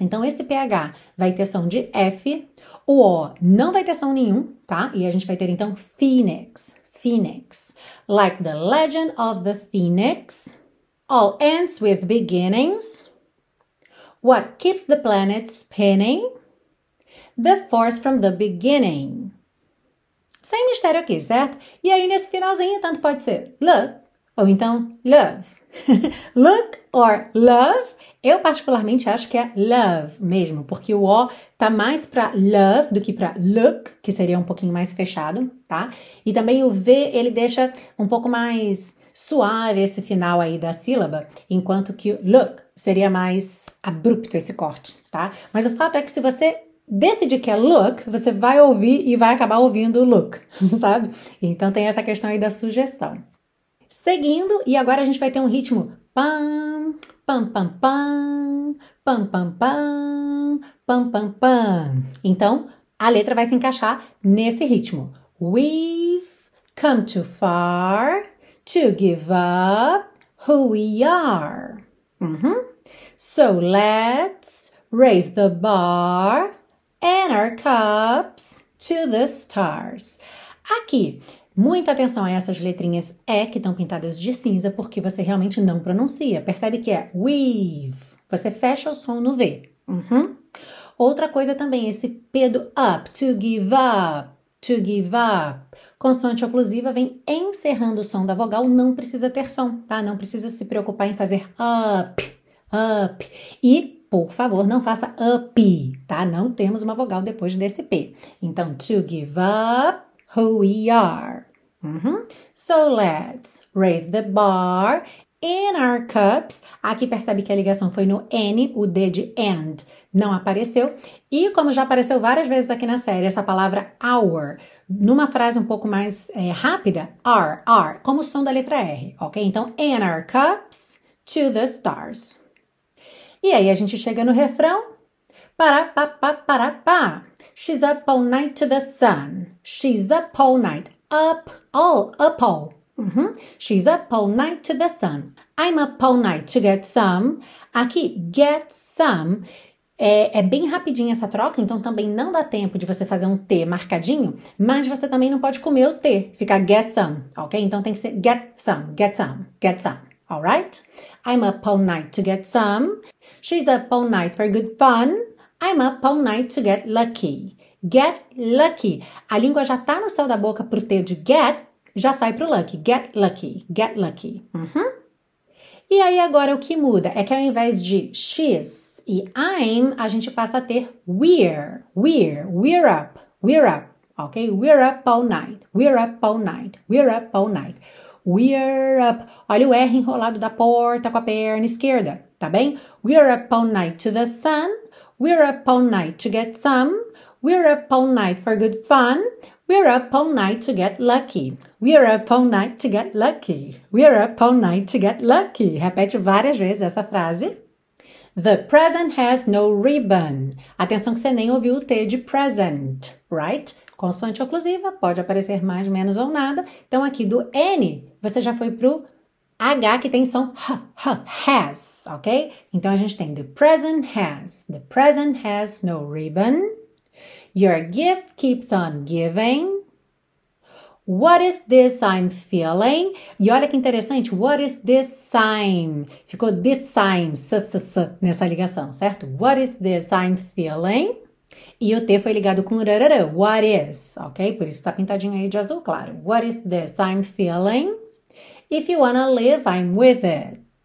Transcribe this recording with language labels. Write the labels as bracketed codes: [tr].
[pt] Então esse PH vai ter som de F, o O não vai ter som nenhum, tá? E a gente vai ter então Phoenix. [en] Phoenix. Like the legend of the Phoenix, all ends with beginnings. What keeps the planet spinning? The force from the beginning. [pt] Sem mistério aqui, certo? E aí, nesse finalzinho, tanto pode ser look ou então love. Look or love, eu particularmente acho que é love mesmo, porque o O tá mais pra love do que pra look, que seria um pouquinho mais fechado, tá? E também o V, ele deixa um pouco mais suave esse final aí da sílaba, enquanto que look seria mais abrupto esse corte, tá? Mas o fato é que se você decidir que é look, você vai ouvir e vai acabar ouvindo look, sabe? Então tem essa questão aí da sugestão. Seguindo, e agora a gente vai ter um ritmo pam, pam, pam, pam, pam, pam, pam, pam, pam. Então a letra vai se encaixar nesse ritmo. [en] We've come too far to give up who we are. So let's raise the bar. And our cups to the stars. [pt] Aqui, muita atenção a essas letrinhas E que estão pintadas de cinza, porque você realmente não pronuncia. Percebe que é weave. Você fecha o som no V. Outra coisa também, esse P do up, [en] to give up, to give up. [pt] Consoante oclusiva vem encerrando o som da vogal, não precisa ter som, tá? Não precisa se preocupar em fazer up, up. E por favor, não faça up, tá? Não temos uma vogal depois desse P. Então, [en] to give up who we are. So let's raise the bar in our cups. [pt] Aqui percebe que a ligação foi no N, o D de and não apareceu. E como já apareceu várias vezes aqui na série, essa palavra our, numa frase um pouco mais rápida, are, como o som da letra R, ok? Então, [en] in our cups to the stars. [pt] E aí a gente chega no refrão. Para pa pa para pa. [en] She's up all night to the sun. She's up all night. Up all. She's up all night to the sun. I'm up all night to get some. [pt] Aqui, [en] get some. [pt] É bem rapidinho essa troca, então também não dá tempo de você fazer um T marcadinho, mas você também não pode comer o T, ficar [en] get some, [pt] ok? Então tem que ser [en] get some, get some, get some. All right? I'm up all night to get some. She's up all night for good fun. I'm up all night to get lucky. Get lucky. [pt] A língua já tá no céu da boca pro T de get, já sai pro lucky. [en] Get lucky. Get lucky. [pt] E aí agora o que muda é que ao invés de she's e I'm, a gente passa a ter [en] we're up. We're up. Ok? We're up all night. We're up all night. We're up all night. We're up. [pt] Olha o R enrolado da porta com a perna esquerda, tá bem? [en] We're up all night to the sun. We're up all night to get some. We're up all night for good fun. We're up all night to get lucky. We're up all night to get lucky. We're up all night to get lucky. [pt] Repete várias vezes essa frase. [en] The present has no ribbon. [pt] Atenção que você nem ouviu o T de present, [en] right? [pt] Consoante oclusiva, pode aparecer mais, menos ou nada. Então, aqui do N, você já foi pro H, que tem som has, ok? Então, a gente tem [en] the present has no ribbon. Your gift keeps on giving. What is this I'm feeling? [pt] E olha que interessante, [en] what is this I'm? [pt] Ficou this I'm, s-s-s, nessa ligação, certo? [en] What is this I'm feeling? [pt] E o T foi ligado com rarara, [en] what is, ok? [pt] Por isso tá pintadinho aí de azul, claro. [en] What is this I'm feeling? If you wanna live, I'm with it.